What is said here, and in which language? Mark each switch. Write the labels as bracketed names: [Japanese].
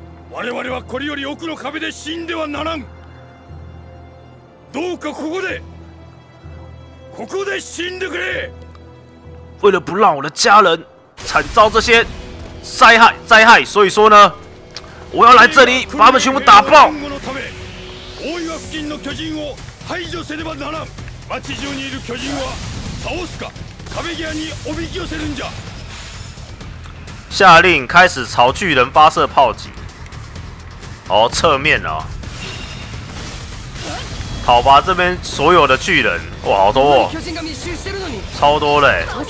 [Japanese] 我々はこれより奥の壁で死んではならん。どうかここで死んでくれ。 [Chinese] 为了不让我的家人惨遭这些灾害，所以说呢。我要来这里把他们全部打爆。 [Japanese] 大岩付近の巨人を排除せねばならん。町中にいる巨人は倒すか、壁際におびき寄せるんじゃ。 [Chinese] 下令开始朝巨人发射炮击。哦，侧面啊。好吧，这边所有的巨人，哇，好多哦，超多嘞。